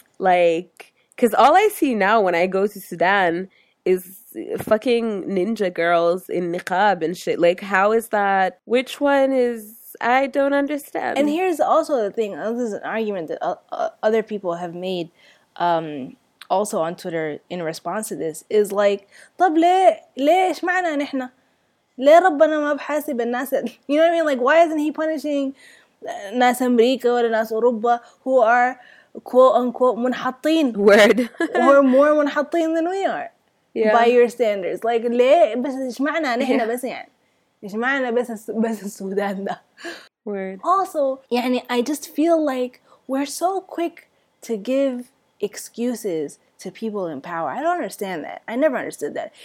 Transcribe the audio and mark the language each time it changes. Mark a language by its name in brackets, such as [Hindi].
[English] Like, because all I see now when I go to Sudan is fucking ninja girls in niqab and shit. Like, how is that? Which one is? I don't understand. And here's also the thing. This is an argument that other people have made also on Twitter in response to this. Is like, [Arabic] طب ليه إيش معنا نحنا؟ ليه ربنا ما بحاسب الناس؟ [English] You know what I mean? Like, why isn't he punishing [Arabic] ناس أمريكا ولا ناس أوروبا [English] who are quote-unquote منحطين? Word. Who are more منحطين than we are. Yeah. By your standards. Like, [Arabic] ليه بس إيش معنا نحنا بس يعني؟ [English] Also, يعني, I just feel like we're so quick to give excuses to people in power. I don't understand that. I never understood that.